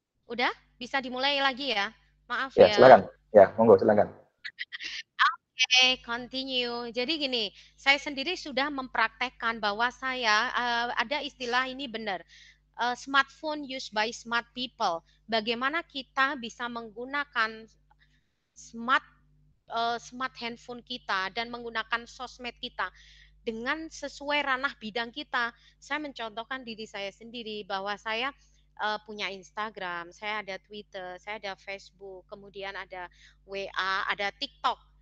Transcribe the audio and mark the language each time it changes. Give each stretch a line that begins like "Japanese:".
Indonesian: Udah? Bisa dimulai lagi ya? Maaf ya. Ya, silakan. Ya, monggo, silakan.
English: Oke, okay, continue.
Indonesian: Jadi gini, saya sendiri sudah mempraktekkan bahwa saya, ada istilah ini benar.
English: Smartphone used by smart people.
Indonesian: Bagaimana kita bisa menggunakan smart handphone kita dan menggunakan sosmed kita dengan sesuai ranah bidang kita. Saya mencontohkan diri saya sendiri bahwa saya punya Instagram, saya ada Twitter, saya ada Facebook, kemudian ada WA, ada TikTok.